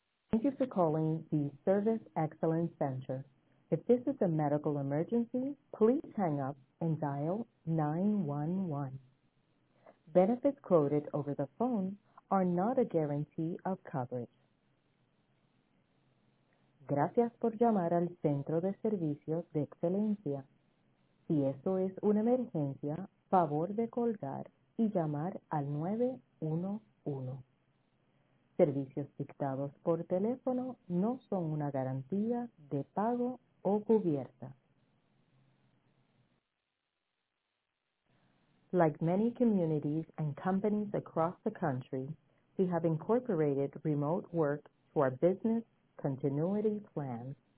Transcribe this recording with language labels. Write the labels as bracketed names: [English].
[English] Thank you for calling the Service Excellence Center. If this is a medical emergency, please hang up and dial 911. Benefits quoted over the phone are not a guarantee of coverage. [Spanish] Gracias por llamar al Centro de Servicios de Excelencia. Si esto es una emergencia, favor de colgar y llamar al 911. Servicios dictados por teléfono no son una garantía de pago o cubierta. [English] Like many communities and companies across the country, we have incorporated remote work to our business continuity plan.